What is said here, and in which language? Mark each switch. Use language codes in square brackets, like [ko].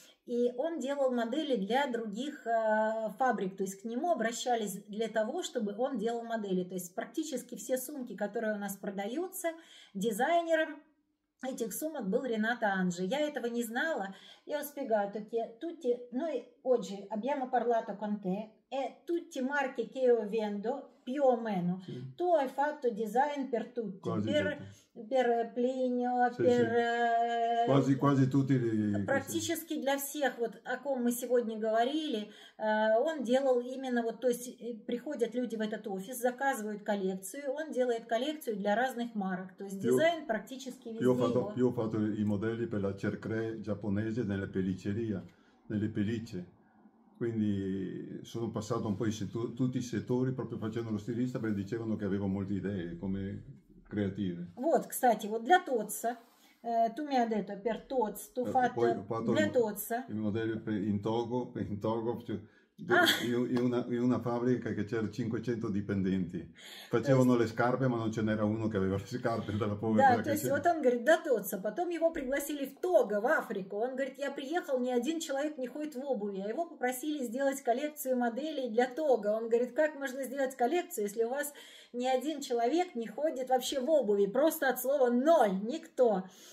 [ru] И он делал модели для других фабрик, то есть к нему обращались для того, чтобы он делал модели. То есть практически все сумки, которые у нас продаются, дизайнером этих сумок был Рената Анджи. Я этого не знала. Я успеваю, что тут, ну и очень, я говорила с тобой, [it] e tutti i marchi che io vendo, più o meno, sì. Tu hai fatto design per tutti, per Plinio, sì, per... Sì. Quasi tutti... [ru] Практически для всех, вот, о ком мы сегодня говорили, он делал именно, вот, то есть приходят люди в этот офис, заказывают коллекцию, он делает коллекцию для разных марок, то есть дизайн практически везде его. [it] Io ho fatto i modelli per la Cercle giapponese nella pelliceria, nelle pellicce. Quindi sono passato un po' tutti i settori proprio facendo lo stilista, perché dicevano che avevo molte idee come creative. [ru] Вот, кстати, вот для Тотса, [it] tu mi hai detto per Тотс, tu fatto [ru] для Тотса. [it] I modelli in Togo, in una fabbrica che c'era 500 dipendenti. Facevano le scarpe, ma non ce n'era uno che aveva le scarpe dalla povera. [ru] Да, то есть вот он говорит, для Тотса, потом его пригласили в Того, в Африку. Он говорит, я приехал, ни один человек не ходит в обуви, а его попросили сделать коллекцию моделей для Того. Он говорит, как можно сделать коллекцию, если у вас ни один человек не ходит вообще в обуви, просто от слова ноль, никто.